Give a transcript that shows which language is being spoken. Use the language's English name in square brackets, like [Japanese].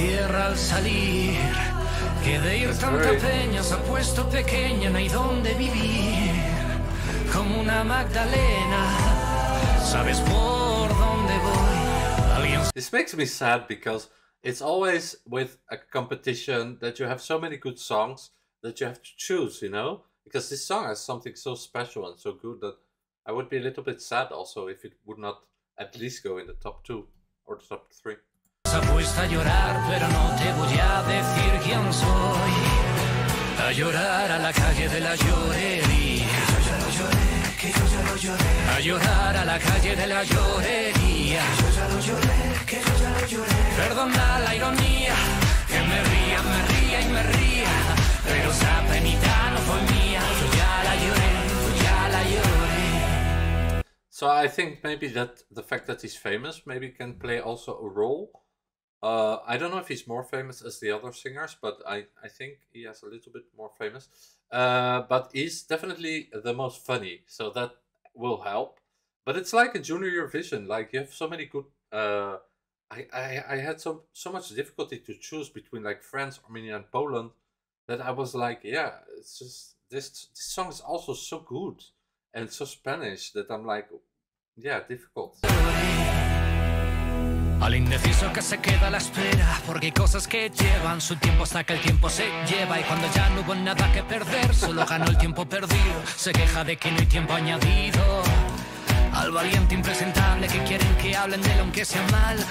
[Spanish] Que de ir tanta peña se ha puesto pequeña, no hay donde vivir como una Magdalena. Sabes por dónde voy. [English] This makes me sad because it's always with a competition that you have so many good songs that you have to choose, you know? Because this song has something so special and so good that I would be a little bit sad also if it would not at least go in the top two or the top three. [Spanish] Apuesta a llorar, pero no te voy a decir quién soy. A llorar a la calle de la llorería. Que yo ya lo lloré, que yo ya lo lloré. A llorar a la calle de la llorería. Que yo ya lo lloré, que yo ya lo lloré. Perdona la ironía, que [English] So I think maybe that the fact that he's famous maybe can play also a role. I don't know if he's more famous as the other singers, but I think he has a little bit more famous. But he's definitely the most funny, so that will help. But it's like a Junior Eurovision, like you have so many good... I had so much difficulty to choose between like France, Armenia and Poland that I was like, yeah, it's just this song is also so good and so Spanish that I'm like, yeah, difficult. [Spanish] Al indeciso que se queda a la espera, porque hay cosas que llevan su tiempo hasta que el tiempo se lleva. Y cuando ya no hubo nada que perder, solo ganó el tiempo perdido. Se queja de que no hay tiempo añadido. Al valiente impresentable que quieren que hablen de él aunque sea mal.